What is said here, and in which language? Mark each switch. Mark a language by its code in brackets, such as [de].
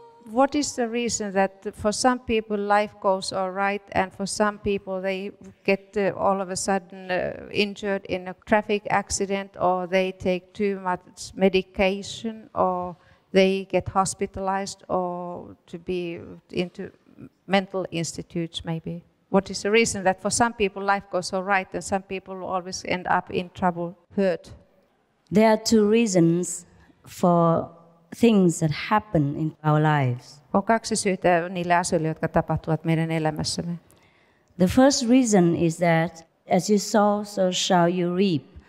[en] what is the reason that for some people life goes all right and for some people they get all of a sudden injured in a traffic accident or they take too much medication or they get hospitalized or to be into mental institutes maybe? What is the reason that for some people life goes all right and some people always end up in trouble, hurt? There are two reasons for things that happen in our lives. [fi] On kaksi syytä niille asioille, jotka tapahtuvat meidän elämässämme. [en] The first reason is that, as you sow, so shall you reap.